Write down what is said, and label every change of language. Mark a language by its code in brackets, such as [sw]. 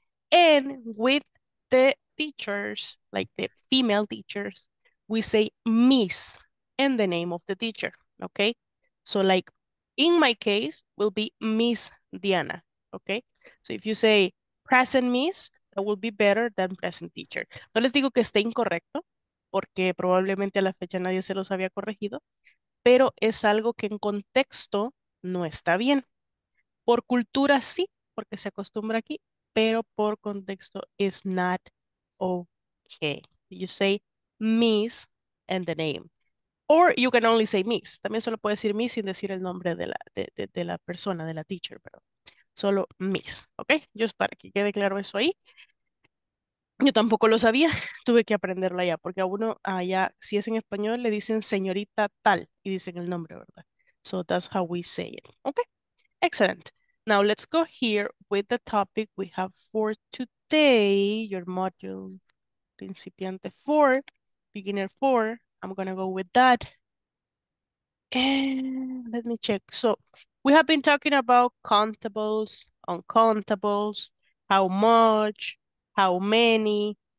[en] And with the teachers, like the female teachers, we say Miss and the name of the teacher, okay? So like in my case will be Miss Diana, okay? So if you say present Miss, that will be better than present teacher. [es] No les digo que esté incorrecto, porque probablemente a la fecha nadie se los había corregido, pero es algo que en contexto no está bien. Por cultura sí, porque se acostumbra aquí, pero por contexto [en] is not okay. You say Miss and the name. Or you can only say Miss. [es] También solo puedes decir Miss sin decir el nombre de la persona, de la teacher, perdón. Solo Miss, okay? Just para que quede claro eso ahí. Yo tampoco lo sabía. Tuve que aprenderlo allá, porque a uno allá, si es en español, le dicen señorita tal y dicen el nombre, ¿verdad? [en] So that's how we say it, okay? Excellent. Now let's go here with the topic we have for today. Today, your module, principiante 4, beginner 4, I'm going to go with that. And let me check. So, we have been talking about countables, uncountables, how much, how many.